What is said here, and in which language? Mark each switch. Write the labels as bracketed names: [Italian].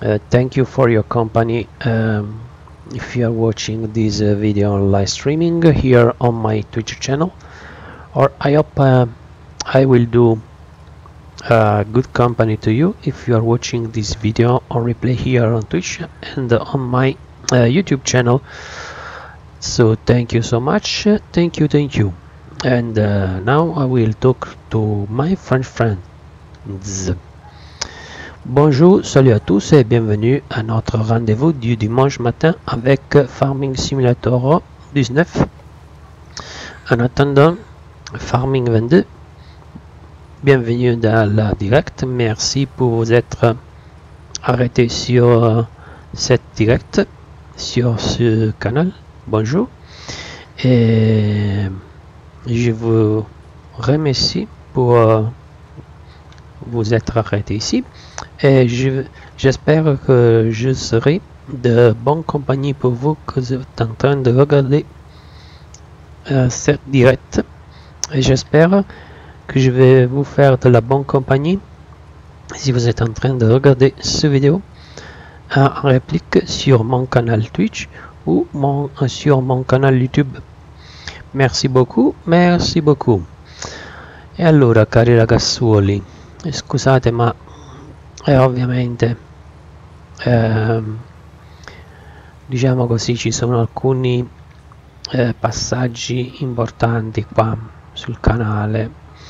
[English] Thank you for your company. If you are watching this video on live streaming here on my Twitch channel, or I hope I will do good company to you if you are watching this video on replay here on Twitch and on my YouTube channel. So thank you so much. Thank you. And now I will talk to my French friends. [French] Bonjour, salut à tous et bienvenue à notre rendez-vous du dimanche matin avec Farming Simulator 19. En attendant, Farming 22. Bienvenue dans la direct. Merci pour vous être arrêté sur cette direct sur ce canal. Bonjour. Et je vous remercie pour vous être arrêté ici. Et j'espère que je serai de bonne compagnie pour vous que vous êtes en train de regarder cette direct. Et j'espère que je vais vous faire de la bonne compagnie si vous êtes en train de regarder cette vidéo en réplique sur mon canal Twitch ou sur mon canal YouTube. Merci beaucoup, merci beaucoup. [Italian] E allora, cari ragazzuoli, scusate, ma ovviamente, diciamo così, ci sono alcuni passaggi importanti qua sul canale.